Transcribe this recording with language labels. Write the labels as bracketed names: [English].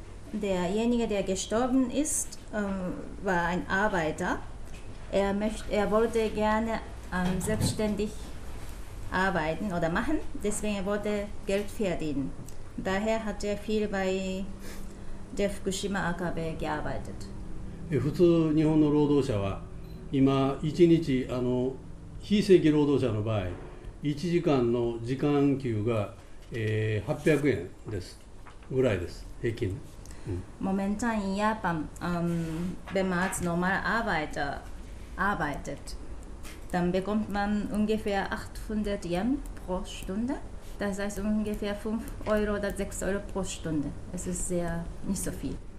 [German] Derjenige, der gestorben ist, war ein Arbeiter. Er wollte gerne selbstständig arbeiten oder machen, deswegen wollte Geld verdienen. Daher hat er viel bei der Fukushima AKW gearbeitet. [Japanese] Normal日本の労働者は今一日非正規労働者の場合1時間の時間給が800円ですぐらいです平均。 [German] Momentan in Japan, wenn man als normaler Arbeiter arbeitet, dann bekommt man ungefähr 800 Yen pro Stunde. Das heißt ungefähr 5 Euro oder 6 Euro pro Stunde. Es ist sehr nicht so viel.